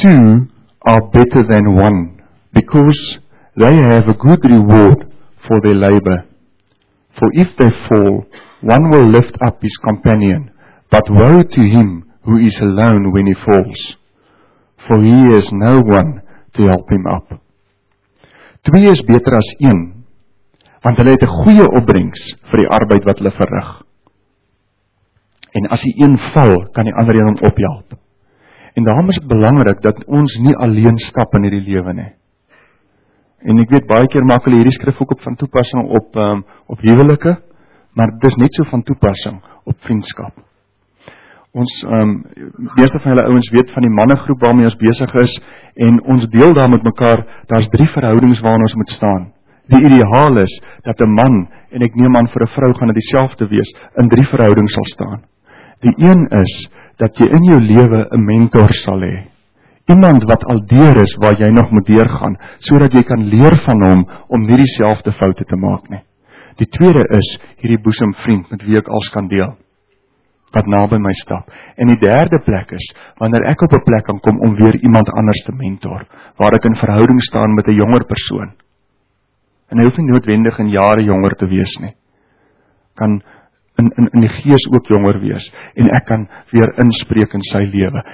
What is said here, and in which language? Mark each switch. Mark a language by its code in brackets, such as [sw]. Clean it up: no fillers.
[en] Two are better than one, because they have a good reward for their labor. For if they fall, one will lift up his companion, but woe to him who is alone when he falls, for he has no one to help him up. [af] Twee is beter as een, want hulle het 'n goeie opbrengs vir die arbeid wat hulle verrig. En as die een val, kan die ander een hom ophelp. En daarom is dit belangrik dat ons nie alleen stap in hierdie lewe nie. En ek weet baie keer maak hulle hierdie skrif ook op van toepassing op huwelike, maar dit is net so van toepassing op vriendskap. Ons meeste van julle ouens weet van die mannegroep waarmee ons besig is, en ons deel daar met mekaar, daar's drie verhoudings waarin ons moet staan. Die ideaal is dat 'n man, en ek neem aan vir 'n vrou gaan dit dieselfde wees, in drie verhoudings sal staan. Die een is dat jy in jou lewe 'n mentor sal hê. iemand wat al deur is, waar jy nog moet deurgaan, sodat jy kan leer van hom om nie dieselfde foute te maak nie. Die tweede is hierdie boesemvriend met wie ek als kan deel, wat naby my stap. En die derde plek is, wanneer ek op 'n plek kan kom om weer iemand anders te mentor, waar ek in verhouding staan met 'n jonger persoon. En hy hoef nie noodwendig in jare jonger te wees nie. Kan in die gees ook jonger wees, en ek kan weer inspreek in sy lewe.